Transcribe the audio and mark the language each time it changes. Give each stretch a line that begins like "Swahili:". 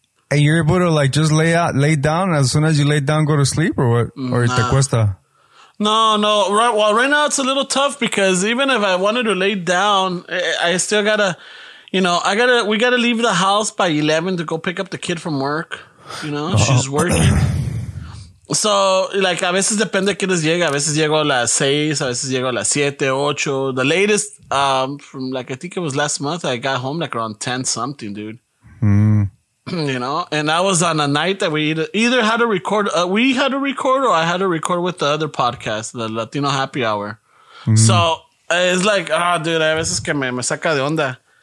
English: And you're able to just lay down as soon as you lay down, go to sleep or what? Nah. Or
Spanish: te cuesta?
English: No. Right now it's a little tough because even if I wanted to lay down, I still got to, you know, we got to leave the house by 11 to go pick up the kid from work. You know, she's working.
Spanish: So, a veces depende de quienes llega. A veces llego a las 6, a veces llego a las 7, 8.
English: The latest, from I think it was last month, I got home around 10 something, dude. Mm. You know, and that was on a night that we either had to record, we had to record, or I had to record with the other podcast, the Latino Happy Hour. So it's dude,
Spanish: a veces que me saca de onda.